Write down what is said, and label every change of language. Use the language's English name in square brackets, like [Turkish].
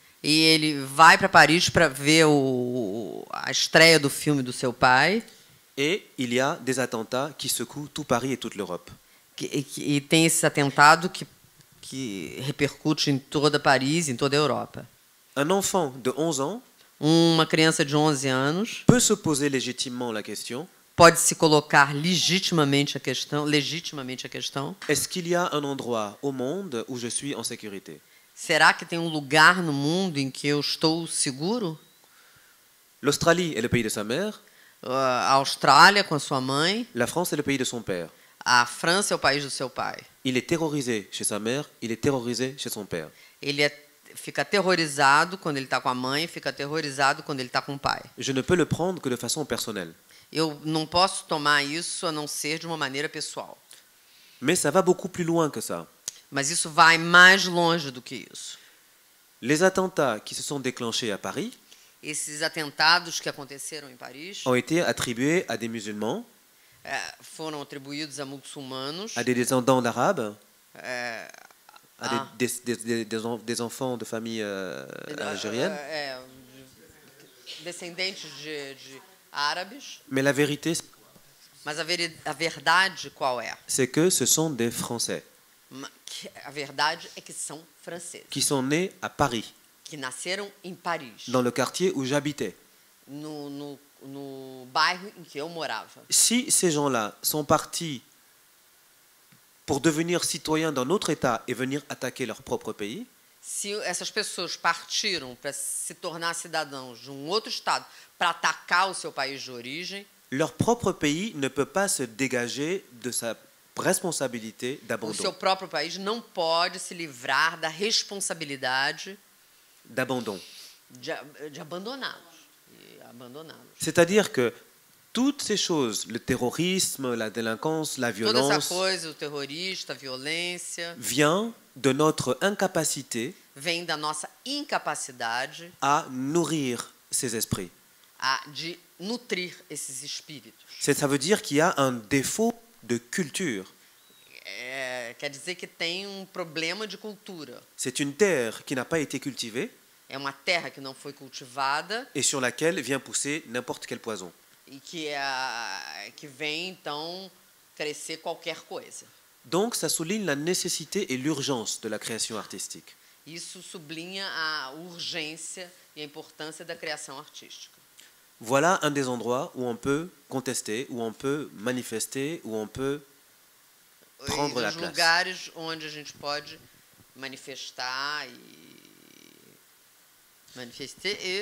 [Portuguese] E ele vai para Paris para ver a estreia do filme do seu pai. [French] E il y a des attentats qui secouent tout Paris et toute l'Europe. [Portuguese] E tem esse atentado que repercute em toda Paris, em toda a Europa. [French] Un enfant de 11 ans, [Portuguese] uma criança de 11 anos, [French] peut se poser légitimement la question. [Portuguese] Pode se colocar legitimamente a questão, legitimamente a questão. [French] Est-ce qu'il y a un endroit au monde où je suis en sécurité? [Portuguese] Será que tem um lugar no mundo em que eu estou seguro? [French] L'Australie est le pays de sa mère. [Portuguese] A Austrália com a sua mãe. [French] La France est le pays de son père. [Portuguese] A França é o país do seu pai. [French] Il est terrorisé chez sa mère, il est terrorisé chez son père. [Portuguese] Ele fica aterrorizado quando ele está com a mãe, fica aterrorizado quando ele está com o pai. [French] Je ne peux le prendre que de façon personnelle. [Portuguese] Eu não posso tomar isso a não ser de uma maneira pessoal. [French] Mais ça va beaucoup plus loin que ça. [Portuguese] Mas isso vai mais longe do que isso. [French] Les attentats qui se sont déclenchés à Paris. [Portuguese] Esses atentados que aconteceram em Paris. [French] Ont été attribués à des musulmans. [Portuguese] Foram atribuídos a muçulmanos. [French] À des descendants d'arabes. À des enfants de famille algérienne. [Portuguese] Descendentes de árabes. [French] Mais la vérité. [Portuguese] Mas a verdade qual é? [French] C'est que ce sont des Français. [Portuguese] A verdade é que são franceses. [French] Qui sont nés à Paris. [Portuguese] Que nasceram em Paris. [French] Dans le quartier où j'habitais. [Portuguese] No bairro em que eu morava. [French] Si ces gens-là sont partis pour devenir citoyens d'un autre état et venir attaquer leur propre pays. [Portuguese] Se essas pessoas partiram para se tornar cidadãos de um outro estado para atacar o seu país de origem. [French] Leur propre pays ne peut pas se dégager de sa responsabilité d'abandon. [Portuguese] O seu próprio país não pode se livrar da responsabilidade [French] d'abandon. [Portuguese] De abandoná-los. Abandoná-los. [French] C'est-à-dire que toutes ces choses, le terrorisme, la délinquance, la violence, [Portuguese] toda essa coisa, o terrorista, a violência, [French] vient de notre incapacité, [Portuguese] vem da nossa incapacidade [French] à nourrir ces esprits. [Portuguese] De nutrir esses espíritos. [French] Ça veut dire qu'il y a un défaut de culture. [Portuguese] Quer dizer que tem um problema de cultura. [French] C'est une terre qui n'a pas été cultivée. [Portuguese] É uma terra que não foi cultivada. [French] Et sur laquelle vient pousser n'importe quel poison. [Portuguese] E que vem então crescer qualquer coisa. [French] Donc ça souligne la nécessité et l'urgence de la création artistique. [Portuguese] Isso sublinha a urgência e a importância da criação artística. [French] Voilà un des endroits où on peut contester, où on peut manifester, où on peut prendre la place. [Portuguese] Os lugares onde a gente pode manifestar e manifester